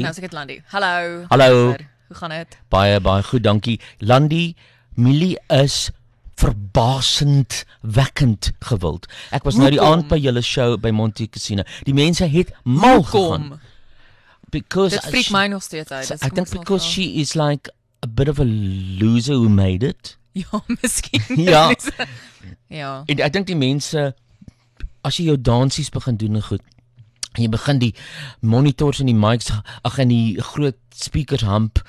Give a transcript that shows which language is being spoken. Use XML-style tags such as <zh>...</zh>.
<af>Ja, nou is ek het Landi. Hallo. Hallo. Hoe gaan het? Baie, baie goed, dankie. Landi, Millie is verbasend wekkend gewild. Ek was nou die aand by julle show by Monte Cassino. Die mense het mal gegaan. Because dit freak my nog steeds uit.</af> <en>I think because she is like a bit of a loser who made it.</en> <af>Ja, miskien. Ja. Ja. En ek dink die mense, as jy jou dansies begin doen en goed, jy begin die monitors en die mics, ag en die groot speakers hump.</af>